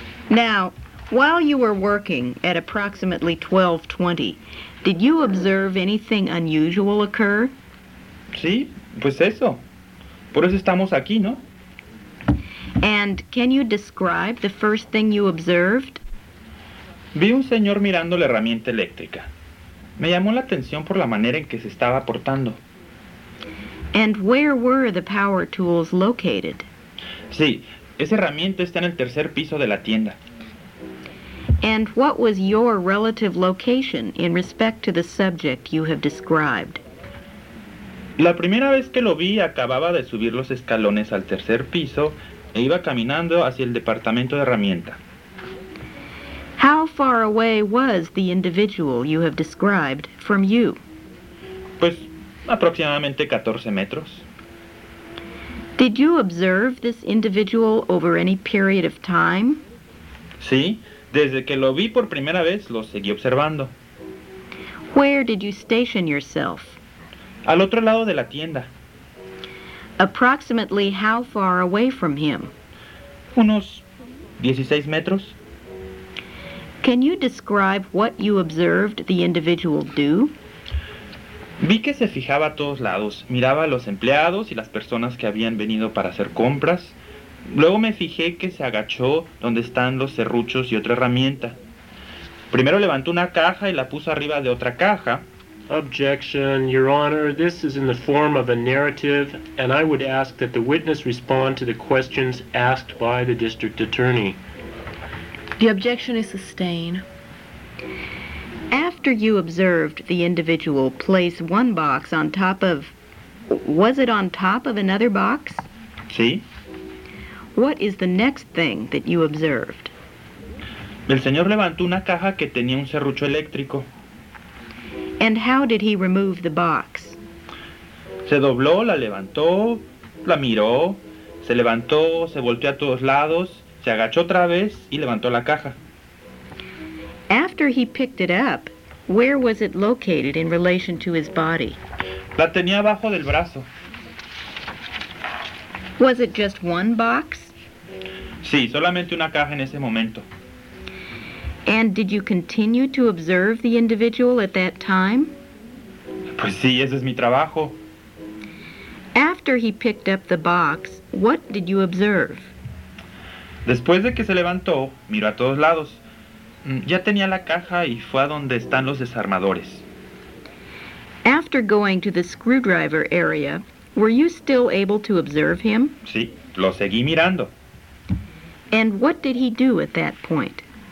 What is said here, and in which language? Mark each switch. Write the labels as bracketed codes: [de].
[en] Now, while you were working at approximately 12:20, did you observe anything unusual occur? [es] Sí, pues eso. Por eso estamos aquí, ¿no? [en] And can you describe the first thing you observed? [es] Vi un señor mirando la herramienta eléctrica. Me llamó la atención por la manera en que se estaba portando. [en] And where were the power tools located? [es] Sí, esa herramienta está en el tercer piso de la tienda. [en] And what was your relative location in respect to the subject you have described? [es] La primera vez que lo vi, acababa de subir los escalones al tercer piso e iba caminando hacia el departamento de herramienta. [en] How far away was the individual you have described from you? [es] Pues, aproximadamente 14 metros. [en] Did you observe this individual over any period of time? [es] Sí, desde que lo vi por primera vez, lo seguí observando. [en] Where did you station yourself? [es] Al otro lado de la tienda. [en] Approximately how far away from him? [es] Unos 16 metros. [en] Can you describe what you observed the individual do? [es] Vi que se fijaba a todos lados, miraba a los empleados y las personas que habían venido para hacer compras. Luego me fijé que se agachó donde están los serruchos y otra herramienta. Primero levantó una caja y la puso arriba de otra caja. [en] Objection, Your Honor. This is in the form of a narrative, and I would ask that the witness respond to the questions asked by the district attorney. The objection is sustained. After you observed the individual place one box on top of... Was it on top of another box? [es] Sí. [en] What is the next thing that you observed? [es] El señor levantó una caja que tenía un serrucho eléctrico. [en] And how did he remove the box? [es] Se dobló, la levantó, la miró, se levantó, se volteó a todos lados, se agachó otra vez y levantó la caja. [en] After he picked it up, where was it located in relation to his body? [es] La tenía abajo del brazo. [en] Was it just one box? [es] Sí, solamente una caja en ese momento. [en] And did you continue to observe the individual at that time? [es] Pues sí, ese es mi trabajo. [en] After he picked up the box, what did you observe? [es] Después de que se levantó, miró a todos lados. Ya tenía la caja y fue a donde están los desarmadores. [en] After going to the screwdriver area, were you still able to observe him? [es] Sí, lo seguí mirando. [en] And what did he do at that point?